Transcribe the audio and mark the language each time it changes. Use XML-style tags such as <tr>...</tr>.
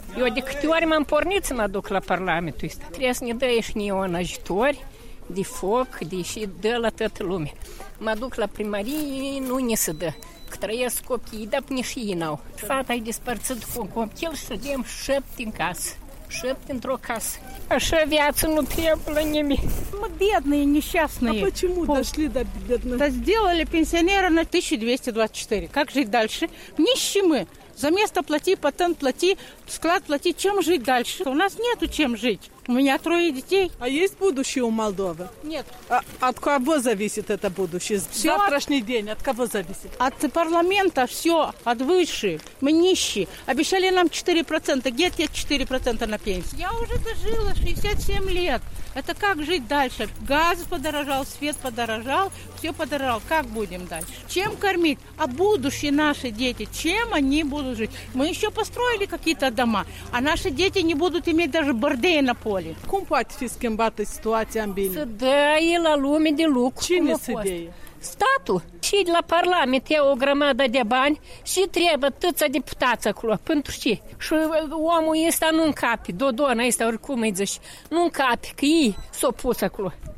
<ro>Eu de câte ori m-am pornit să mă duc la parlamentul ăsta. Trebuie să ne dăie și nouă în ajutor, de foc, de și dă la toată lumea. Mă duc la primărie, nu ne se dă. Că trăiesc copiii, dar până și ei n-au. Fata e despărțit cu un copil și suntem șapte în casă. Șapte într-o casă. Așa viață nu trebuie la nimic. Mă, bednă e, nișasnă</ro> <ru>e. Почему дошли до бедных? Да сделали пенсионера на 1224. Как жить дальше? Нищи мы. За место плати, патент плати, склад плати. Чем жить дальше? У нас нету чем жить. У меня трое детей. А есть будущее у Молдовы? Нет. А от кого зависит это будущее? Все завтрашний день от кого зависит? От парламента все, от высшей. Мы нищие. Обещали нам 4%. Где те 4% на пенсию? Я уже дожила 67 лет. Это как жить дальше? Газ подорожал, свет подорожал, все подорожало. Как будем дальше? Чем кормить? А будущие наши дети, чем они будут жить? Мы еще построили какие-то дома, а наши дети не будут иметь даже бордея на поле.</ru> <ro>Cum poate fi schimbată situația în bine? Să dăi la lume de lucru. Cine să dăi? statul. Și la parlament e o grămadă de bani și trebuie tăță deputați acolo. Pentru ce? Și omul ăsta nu încape, Dodona ăsta, oricum îi zici, nu încape, că ei s-o pus acolo.</ro>